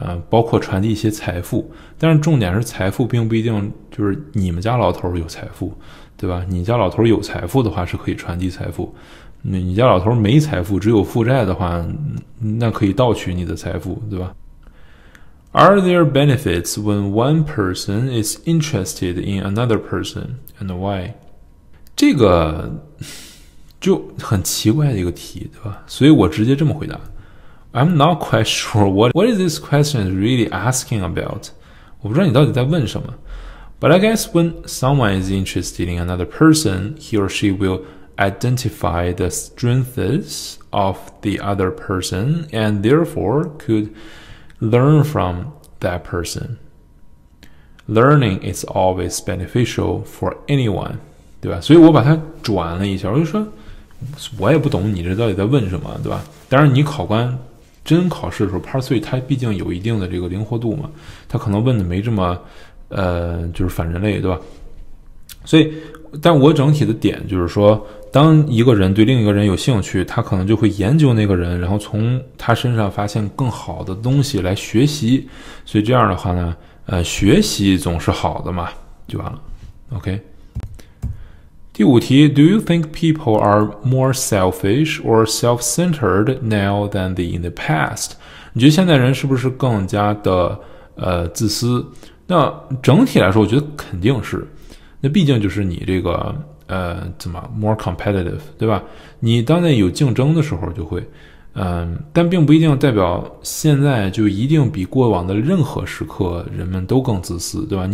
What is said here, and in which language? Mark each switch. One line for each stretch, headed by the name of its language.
Chinese: 包括传递一些财富，但是重点是财富并不一定就是你们家老头有财富。对吧？你家老头有财富的话是可以传递财富，你家老头没财富只有负债的话，那可以盗取你的财富，对吧？
English: Are there benefits when one person is interested in another person and why?
Chinese: 这个就很奇怪的一个题，对吧？所以我直接这么回答，
English: I'm not quite sure what is this question really asking about.
Chinese: 我不知道你到底在问什么。
English: But I guess when someone is interested in another person, he or she will identify the strengths of the other person and therefore could learn from that person. Learning is always beneficial for anyone,
Chinese: 对吧？所以我把它转了一下，我就说，我也不懂你这到底在问什么，对吧？当然你考官真考试的时候 ,Part 3它毕竟有一定的这个灵活度嘛，它可能问的没这么就是反人类，对吧？所以但我整体的点就是说，当一个人对另一个人有兴趣，他可能就会研究那个人，然后从他身上发现更好的东西来学习。所以这样的话呢，学习总是好的嘛，就完了。 OK。第五题
English: ，Do you think people are more selfish or self-centered now than they in the past？
Chinese: 你觉得现在人是不是更加的自私？那整体来说，我觉得肯定是。那毕竟就是你这个怎么
English: more competitive，
Chinese: 对吧？你当在有竞争的时候就会，但并不一定代表现在就一定比过往的任何时刻人们都更自私，对吧？